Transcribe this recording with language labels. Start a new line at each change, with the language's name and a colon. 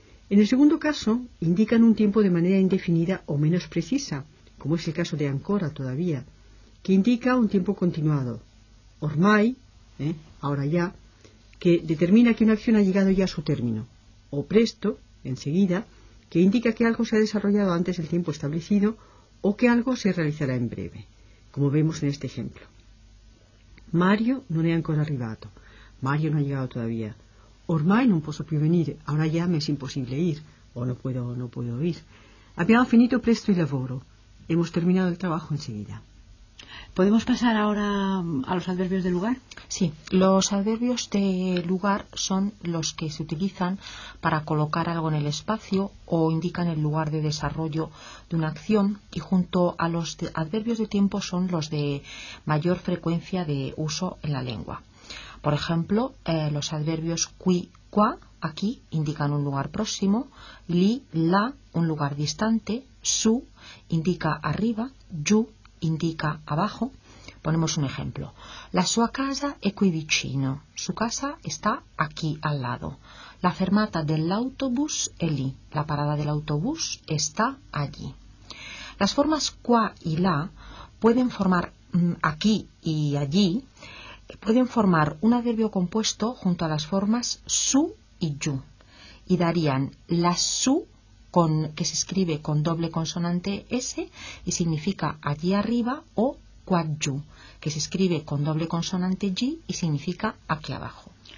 Spanish: En el segundo caso, indican un tiempo de manera indefinida o menos precisa, como es el caso de ancora todavía, que indica un tiempo continuado, ormai, ahora ya, que determina que una acción ha llegado ya a su término, o presto, enseguida, que indica que algo se ha desarrollado antes del tiempo establecido o que algo se realizará en breve, como vemos en este ejemplo.
Italian: Mario non è ancora arrivato.
Spanish: Mario no ha llegado todavía.
Italian: Ormai non posso più venire.
Spanish: Ahora ya me es imposible ir. O no puedo ir.
Italian: Abbiamo finito presto il lavoro.
Spanish: Hemos terminado el trabajo enseguida. ¿Podemos pasar ahora a los adverbios de lugar? Sí, los adverbios de lugar son los que se utilizan para colocar algo en el espacio o indican el lugar de desarrollo de una acción, y junto a los adverbios de tiempo son los de mayor frecuencia de uso en la lengua. Por ejemplo, los adverbios qui, qua, aquí, indican un lugar próximo, li, la, un lugar distante, su, indica arriba, yu, indica abajo. Ponemos un ejemplo.
Italian: La sua casa è qui vicino.
Spanish: Su casa está aquí al lado.
Italian: La fermata dell'autobus è lì.
Spanish: La parada del autobús está allí. Las formas qua y la pueden formar aquí y allí. Pueden formar un adverbio compuesto junto a las formas su y yu. Y darían la su, que se escribe con doble consonante S y significa allí arriba, o quaggiù, que se escribe con doble consonante G y significa aquí abajo.